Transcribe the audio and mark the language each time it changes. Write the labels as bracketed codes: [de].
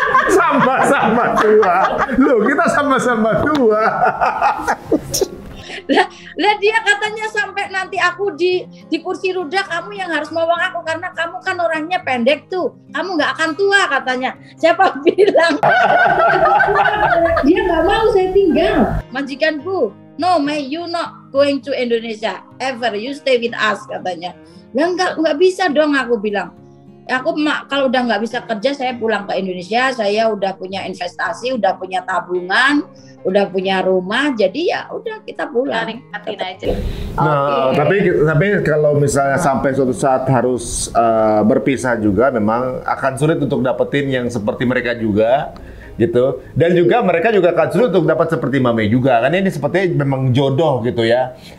[id] Sama-sama tua, lu kita sama-sama tua. Lah dia katanya sampai nanti aku di kursi roda kamu yang harus ngomong aku karena kamu kan orangnya pendek tuh. Kamu enggak akan tua katanya. Siapa bilang? Dia enggak mau saya tinggal. [en] Majikanku, no may you not going to Indonesia ever. You stay with us [id] katanya. Lah enggak bisa dong aku bilang. Aku kalau udah enggak bisa kerja saya pulang ke Indonesia, saya udah punya investasi, udah punya tabungan, udah punya rumah, jadi ya udah kita pulang. Tapi kalau misalnya sampai suatu saat harus berpisah juga, memang akan sulit untuk dapetin yang seperti mereka juga gitu, dan juga mereka juga akan sulit untuk dapat seperti Mame juga, kan ini sepertinya memang jodoh gitu ya.